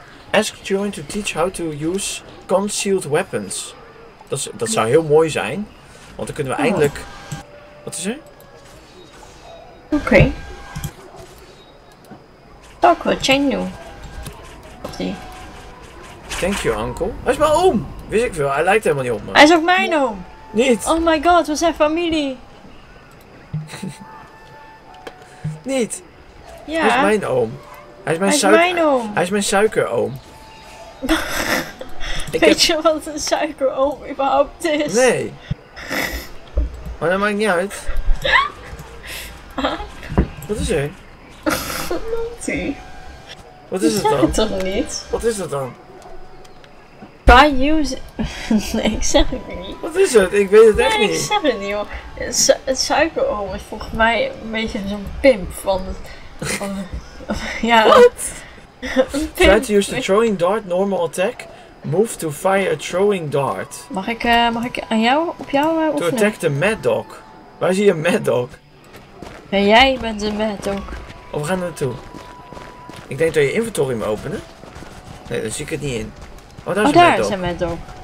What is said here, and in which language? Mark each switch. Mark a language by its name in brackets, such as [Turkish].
[English] Ask Join to teach how to use concealed weapons. [Dutch] Dat zou heel mooi zijn. Want dan kunnen we eindelijk... Wat is er? Oké. [English] Talk with Chen Yu. [Dutch] Of die... [English] Thank you, uncle. [Dutch] Hij is mijn oom! Wist ik veel, hij lijkt helemaal niet op me. Hij is ook mijn oom! Niet! [English] Oh my god, [Dutch] we zijn familie! Niet! Ja. Hij is mijn oom. Hij is mijn suiker. Hij is mijn suikeroom. Weet je wat een suikeroom überhaupt is? Nee! Maar dat maakt niet uit. Wat is er? Monty. Wat is het dan? Ik zeg het toch niet? Wat is dat dan? [English] By using... [Dutch] Nee, ik zeg het niet. Wat is het? Ik weet het echt niet. Nee, ik zeg het niet, joh. Het suikeroom is volgens mij een beetje zo'n pimp van... Wat? [English] Try to use the throwing dart normal attack. Move to fire a throwing dart. [Dutch] Mag ik aan jou, op jou oefenen? [English] To attack the mad dog. [Dutch] Waar zie je een mad dog? Ja, jij bent een mad dog. Oh, we gaan naartoe. Ik denk dat je inventory moet openen. Nee, daar zie ik het niet in. Oh, daar is een mad dog. Is mad dog.